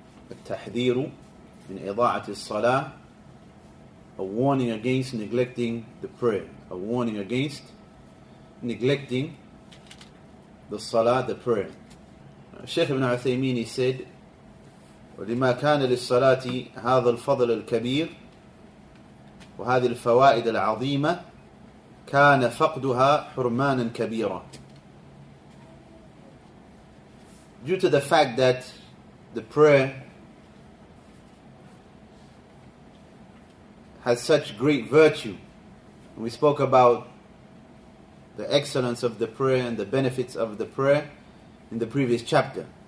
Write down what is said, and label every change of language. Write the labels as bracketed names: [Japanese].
[English] At-Tahdhir min Ida'at al-Salah, a warning against neglecting the prayer. A warning against neglecting the Salah, the prayer. Shaykh ibn Uthaymeen, he said, [Arabic] وَلِمَا كَانَ لِلصَّلَاةِ هَذَا الْفَضْلُ الْكَبِيرُ وَهَذِهِ الْفَوَائِدُ الْعَظِيمَةُ كَانَ فَقْدُهَا حُرْمَانًا كَبِيرًا. [English] Due to the fact that the prayer has such great virtue, and we spoke about the excellence of the prayer and the benefits of the prayer in the previous chapter.